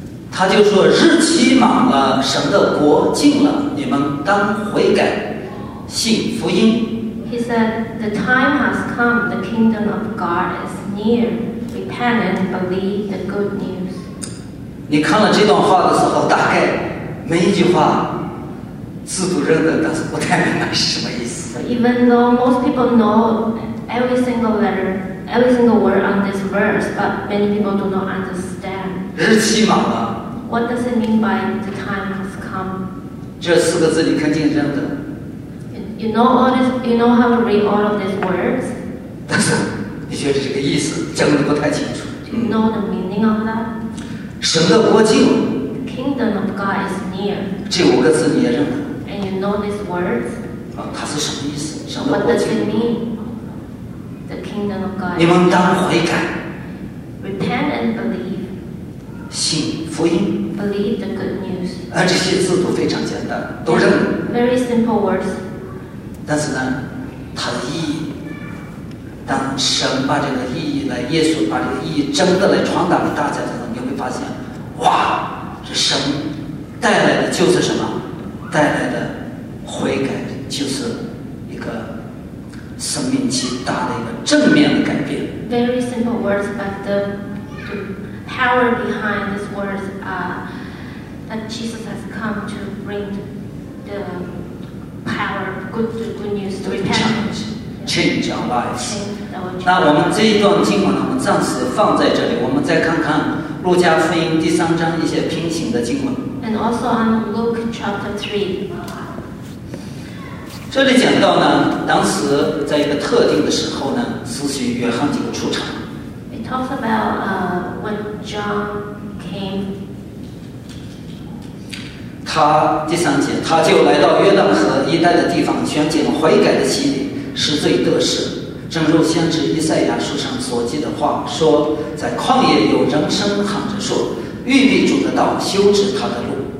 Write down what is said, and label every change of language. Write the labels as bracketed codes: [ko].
[zh] 他就说日期满了，神的国近了，你们当悔改，信福音。 [en] He said, the time has come, the kingdom of God is near. Repent and believe the good news. [zh] 你看了这段话的时候，大概每一句话字都认得，但是不太明白是什么意思。 [en] So even though most people know,every single word on this verse, but many people do not understand. [zh] 日期满了。 [en] What does it mean by the time has come? [zh] 这四个字你肯定认得。 [en] You know how to read all of these words? [zh] 但是你觉得这个意思讲得不太清楚。 [en] Do you know the meaning of that? [zh] 神的国近。 [en] The kingdom of God is near. [zh] 这五个字你也认得。 [en] And you know these words? [zh] 它是什么意思？神的国近。 [en] What does it mean? [zh] 你们当悔改 [en] Repent and believe [zh] 信福音 [en] Believe the good news [zh] 而这些字都非常简单都认 [en] Very simple words [zh] 但是呢它的意义当神把这个意义来耶稣把这个意义真的来传达给大家的时候你会发现哇这神带来的就是什么带来的悔改就是一个生命极大的一个正面的改变。 [en] Very simple words, but the power behind these words are that Jesus has come to bring the power, good news to change, change our lives. Change [zh] 那我们这一段经文，我们暂时放在这里，我们再看看《路加福音》第三章一些平行的经文。 [en] And also on Luke chapter 3. [zh] 这里讲到呢，当时在一个特定的时候呢，慈禧约翰就出场。 [en] It talks about when John came. [zh] 他他第三节，他就来到约旦河一带的地方，全景悔改的洗礼，使罪得赦。正如先知以赛亚书上所记的话说，在旷野有人声喊着说，预备主的道，修直他的路。